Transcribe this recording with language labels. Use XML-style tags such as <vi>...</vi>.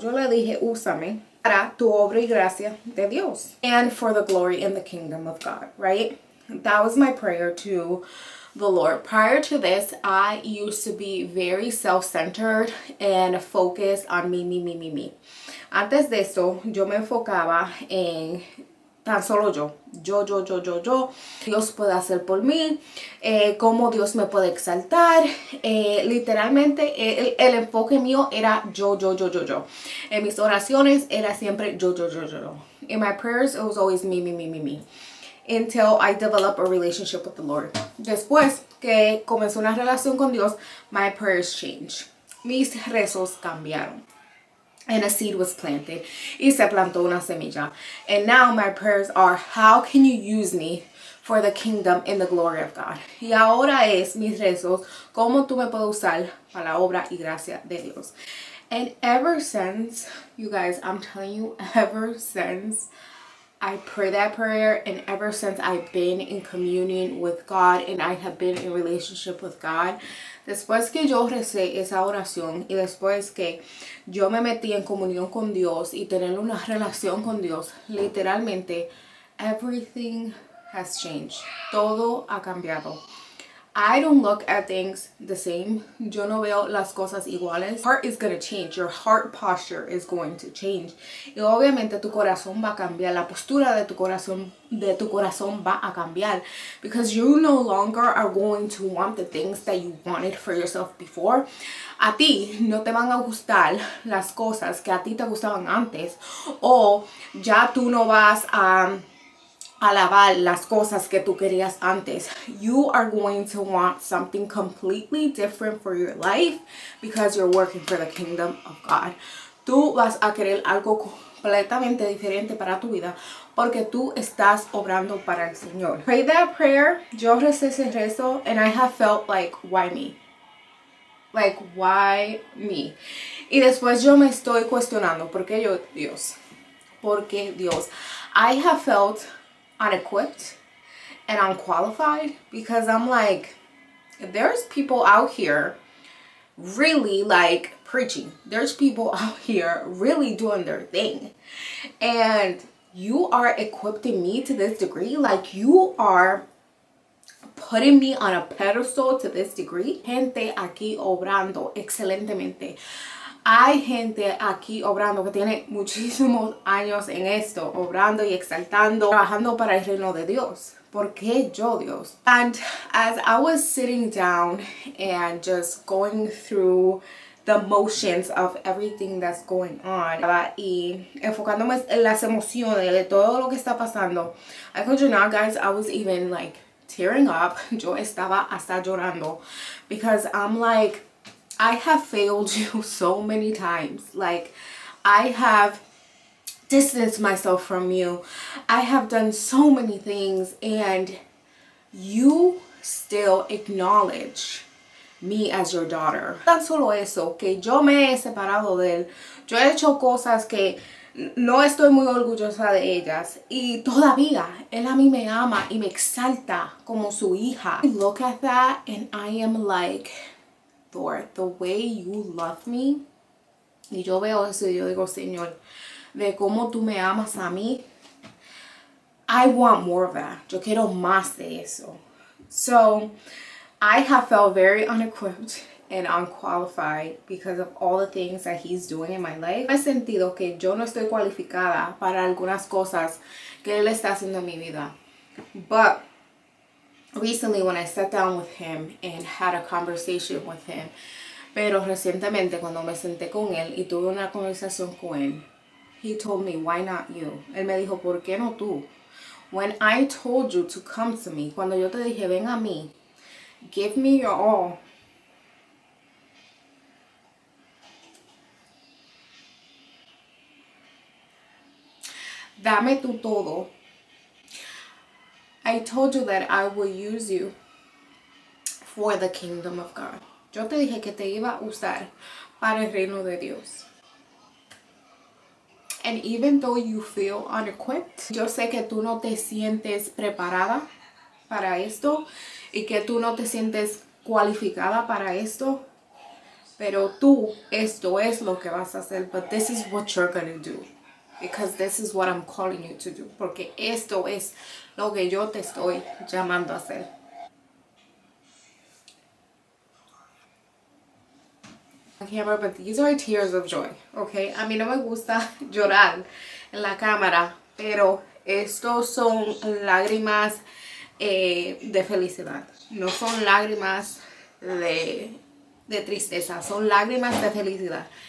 <es>Yo le dije, úsame para tu obra y gracia de Dios.</es> <en>And for the glory and the kingdom of God, right? That was my prayer to Velour. Prior to this, I used to be very self-centered and focused on me, me, me, me, me.</en> <es>Antes de eso, yo me enfocaba en tan solo yo. Yo. Dios puede hacer por mí. Cómo Dios me puede exaltar. Literalmente, el enfoque mío era yo. En mis oraciones era siempre yo.</es> <en>In my prayers, it was always me. Until I develop a relationship with the Lord.</en> <es>Después que comenzó una relación con Dios,</es> <en>my prayers changed.</en> <es>Mis rezos cambiaron.</es> <en>And a seed was planted.</en> <es>Y se plantó una semilla.</es> <en>And now my prayers are, how can you use me for the kingdom and the glory of God?</en> <es>Y ahora es mis rezos, ¿cómo tú me puedes usar para la obra y gracia de Dios?</es> <en>And ever since, you guys, I'm telling you, ever since I pray that prayer, and ever since I've been in communion with God and I have been in relationship with God,</en> <es>después que yo recé esa oración y después que yo me metí en comunión con Dios y tener una relación con Dios,</es> <en>literalmente, everything has changed.</en> <es>Todo ha cambiado.</es> <en>I don't look at things the same.</en> <es>Yo no veo las cosas iguales.</es> <en>Heart is going to change. Your heart posture is going to change.</en> <es>Y obviamente tu corazón va a cambiar. La postura de tu corazón va a cambiar.</es> <en>Because you no longer are going to want the things that you wanted for yourself before.</en> <es>A ti no te van a gustar las cosas que a ti te gustaban antes. O ya tú no vas a alabar las cosas que tú querías antes.</es> <en>You are going to want something completely different for your life because you're working for the kingdom of God.</en> <es>Tú vas a querer algo completamente diferente para tu vida porque tú estás obrando para el Señor.</es> <en>Pray that prayer.</en> <es>Yo recé ese rezo</es> <en>and I have felt like, why me? Like, why me?</en> <es>Y después yo me estoy cuestionando, ¿por qué yo, Dios? ¿Por qué Dios?</es> <en>I have felt unequipped and unqualified because I'm like, there's people out here really like preaching. There's people out here really doing their thing. And you are equipping me to this degree. Like, you are putting me on a pedestal to this degree.</en> <es>Gente aquí obrando excelentemente. Hay gente aquí obrando que tiene muchísimos años en esto, obrando y exaltando, trabajando para el reino de Dios. ¿Por qué yo, Dios?</es> <en>And as I was sitting down and just going through the motions of everything that's going on,</en> <es>y enfocándome en las emociones de todo lo que está pasando,</es> <en>I told you now, guys, I was even like tearing up.</en> <es>Yo estaba hasta llorando</es> <en>because I'm like, I have failed you so many times. Like, I have distanced myself from you. I have done so many things, and you still acknowledge me as your daughter.</en> <es>Tan solo eso, que yo me he separado de él. Yo he hecho cosas que no estoy muy orgullosa de ellas. Y todavía, él a mí me ama y me exalta como su hija.</es> <en>I look at that, and I am like, Lord, the way you love me,</en> <es>y yo veo eso y yo digo, Señor, de cómo tú me amas a mí,</es> <en>I want more of that.</en> <es>Yo quiero más de eso.</es> <en>So, I have felt very unequipped and unqualified because of all the things that he's doing in my life.</en> <es>He sentido que yo no estoy cualificada para algunas cosas que él está haciendo en mi vida.</es> <en>But recently, when I sat down with him and had a conversation with him,</en> <es>pero recientemente cuando me senté con él y tuve una conversación con él,</es> <en>he told me, why not you?</en> <es>Él me dijo, ¿por qué no tú?</es> <en>When I told you to come to me,</en> <es>cuando yo te dije, ven a mí,</es> <en>give me your all.</en> <es>Dame tu todo.</es> <en>I told you that I will use you for the kingdom of God.</en> <es>Yo te dije que te iba a usar para el reino de Dios.</es> <en>And even though you feel unequipped,</en> <es>yo sé que tú no te sientes preparada para esto y que tú no te sientes cualificada para esto, pero tú, esto es lo que vas a hacer.</es> <en>But this is what you're going to do. Because this is what I'm calling you to do.</en> <es>Porque esto es lo que yo te estoy llamando a hacer.</es> <en>on camera, but these are tears of joy, okay?</en> <es>A mí no me gusta llorar en la cámara, pero estos son lágrimas de felicidad. No son lágrimas de tristeza, son lágrimas de felicidad.</es>